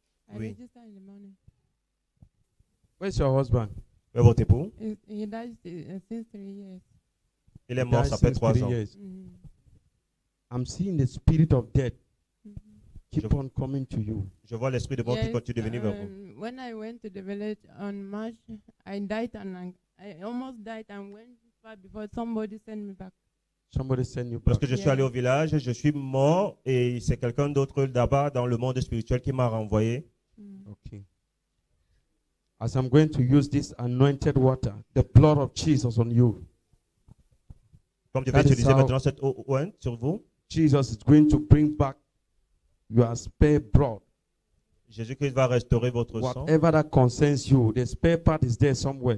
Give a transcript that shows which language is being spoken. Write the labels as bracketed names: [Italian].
[English] Oui. I registered in the morning. Where's your husband? [French] Où est votre époux? [English] He died since 3 years. [French] Il est mort, ça fait 3 ans. [English] Mm-hmm. I'm seeing the spirit of death. Keep on coming to you. [French] Je vois l'esprit de mort qui continue de venir vers vous. [English] When I went to the village on March, I died and I almost died and went far before somebody sent me back. Somebody sent you back. [French] Parce que je suis allé au village, je suis mort et c'est quelqu'un d'autre là-bas dans le monde spirituel qui m'a renvoyé. [English] Mm. Okay. As I'm going to use this anointed water, the blood of Jesus on you. [French] Comme je vais utiliser maintenant cette ointe sur vous. [English] Jesus is going to bring back your spare blood. [French] Jésus-Christ va restaurer votre sang. [English] Whatever that concerns you, the spare part is there somewhere.